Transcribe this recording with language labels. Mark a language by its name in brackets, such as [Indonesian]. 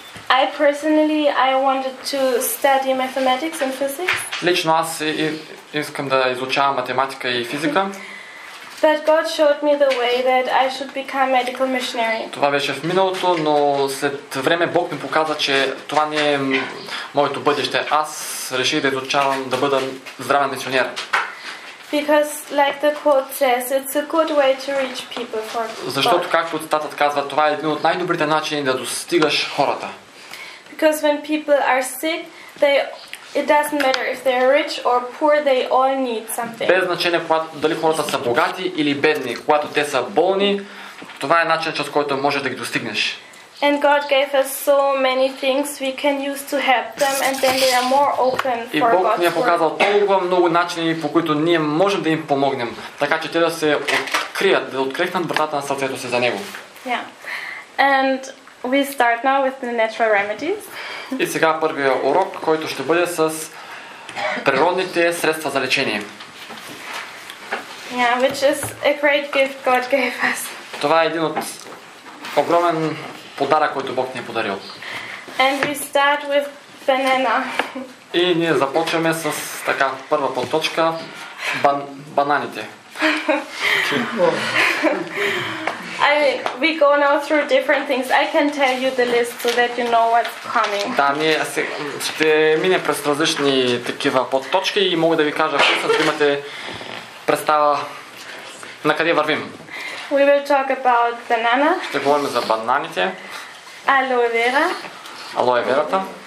[English] I personally I wanted to study mathematics and physics. [Bulgarian] Лично аз искам да изучавам математика и физика. [English] But God showed me the way that I should become a medical missionary. [Bulgarian] Това беше в миналото, но след време Бог ми показа, че това не е моето бъдеще. Аз реших да изучавам да бъда здравен мисионер. [English] Because like the quote says, it's a good way to reach people for. [Bulgarian] Защото както цитатът казва, това е един от най-добрите начини да достигаш хората. [English] Because when people are sick, it doesn't matter if they're rich or poor, they all need something. [Bulgarian] Без значение дали хората са богати или бедни, когато те са болни, това е начин, чрез който можеш да ги достигнеш. [English] And God gave us so many things we can use to help them and then they are more open for God. [Bulgarian] И Бог ни е показал толкова много начини, по които ние можем да им помогнем, така че те да се открият, да открехнат вратата на сърцето си за него. [English] Yeah. And we start now with the natural remedies. [Bulgarian] И сега първия урок, който ще бъде с природните средства за лечение. [English] Yeah, which is a great gift God gave us. [Bulgarian] Това е един от огромен подарък, който Бог ни е подарил. [English] And we start with banana. [Bulgarian] И ние започваме с така първа подточка бананите. [English] We go now through different things. I can tell you the list so that you know what's coming. [Bulgarian] Да, ние ще минем през различни такива подточки и мога да ви кажа, че имате представа на къде вървим. [English] We will talk about banana. [Bulgarian] Ще говорим за бананите. [English] Aloe vera. [Bulgarian] Aloe vera-та.